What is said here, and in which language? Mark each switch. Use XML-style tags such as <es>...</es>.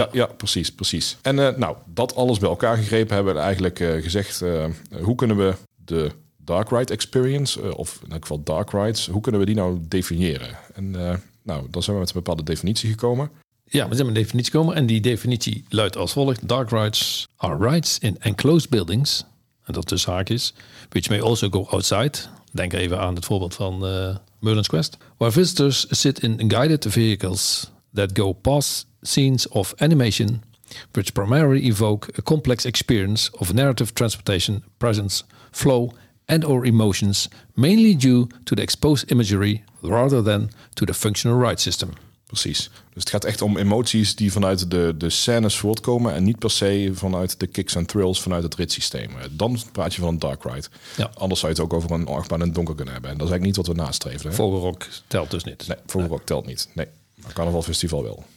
<nl>Ja, precies. En nou, dat alles bij elkaar gegrepen hebben we eigenlijk gezegd, hoe kunnen we de dark ride experience, of in elk geval dark rides, hoe kunnen we die nou definiëren? En nou, dan zijn we met een bepaalde definitie gekomen. Ja, we zijn met een definitie gekomen. En die definitie luidt als volgt.</nl> <en>Dark rides are rides in enclosed buildings.</en> <nl>En dat dus haakjes.</nl> <en>Which may also go outside.</en> <nl>Denk even aan het voorbeeld van Merlin's Quest.</nl> <en>Where visitors sit in guided vehicles that go past scenes of animation, which primarily evoke a complex experience of narrative transportation, presence, flow and or emotions, mainly due to the exposed imagery rather than to the functional ride system.</en> <nl>Precies. Dus het gaat echt om emoties die vanuit de scènes voortkomen en niet per se vanuit de kicks en thrills vanuit het ritssysteem. Dan praat je van een dark ride. Ja. Anders zou je het ook over een achtbaan en donker kunnen hebben. En dat is eigenlijk niet wat we nastreven. Vogelrok telt dus niet. Nee, Vogelrok telt niet. Nee, maar Carnaval Festival wel.</nl>